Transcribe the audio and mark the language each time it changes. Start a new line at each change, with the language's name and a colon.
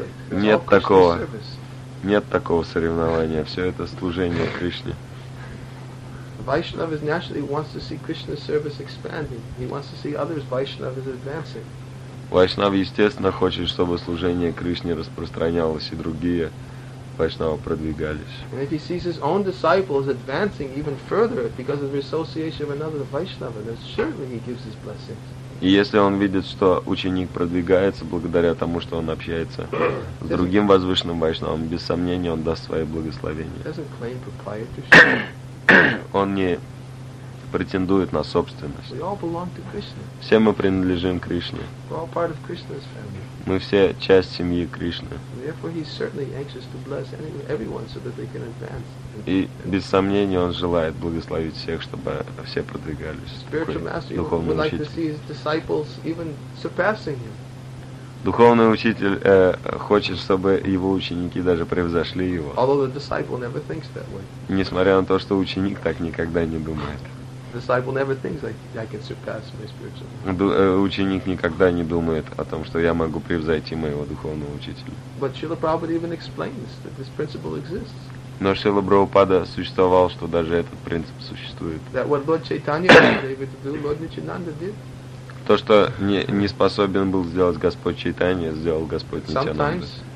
Russian: Нет такого соревнования. Все это служение Кришне.
English: Vaishnavas naturally wants to see Krishna's service expanding. He wants to see others Vaishnavas advancing.
Russian: Vaishnav естественно хочет, чтобы служение Кришне распространялось и другие Vaishnava продвигались.
English: And if he sees his own disciples advancing even further because of the association of another Vaishnava, then surely he gives his blessings.
Russian: И если он видит, что ученик продвигается благодаря тому, что он общается с другим возвышенным Вайшнавом, без сомнения, он даст свои благословения.
English: Doesn't claim proprietorship.
Russian: Он не претендует на собственность.
English: We all belong to Krishna.
Russian: Все мы принадлежим Кришне.
English: We're all part of Krishna's family.
Russian: Мы все часть семьи Кришны.
English: Therefore, he's certainly anxious to bless everyone so that they can advance.
Russian: И без сомнения он желает благословить всех, чтобы все продвигались.
English: Spiritual master would like to see his disciples even surpassing him.
Russian: Духовный учитель хочет, чтобы его ученики даже превзошли его.
English: Although the disciple never thinks that way.
Russian: Несмотря на то, что ученик так никогда не думает.
English: The disciple never thinks I can surpass my spiritual.
Russian: Ученик никогда не думает о том, что я могу превзойти моего духовного учителя.
English: But Srila Prabhupada even explains that this principle exists.
Russian: Но Шрила Прабхупада существовал, что даже этот принцип существует.
English: That what Lord Chaitanya was able to do, Lord Nityananda did.
Russian: То, что не способен был сделать Господь Чайтанья, сделал Господь Нитянанда.